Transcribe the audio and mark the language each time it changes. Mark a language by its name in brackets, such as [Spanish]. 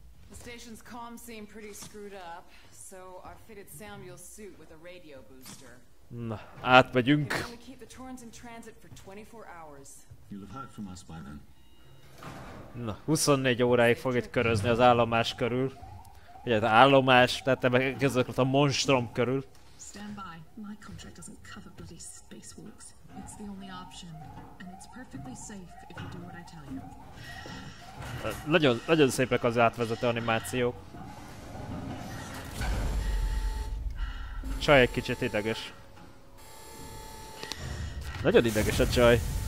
[English] The station's comms seem pretty screwed up, so I fitted Samuel's suit with a radio booster. [Hungarian] Na, átmegyünk. [English] We can keep the Torrens in transit for 24 hours. You'll have heard from us by then. [Hungarian] Na, 24 óráig fog itt körözni az állomás körül. Ugye az állomás, tehát te meg között a monstrom körül. [English] Stand by. My contract doesn't cover bloody spacewalks. It's the only option. And it's perfectly safe if you do what I tell you. [Hungarian] Nagyon, nagyon szépek az átvezető animációk. Csaj egy kicsit ideges. Nagyon ideges a csaj.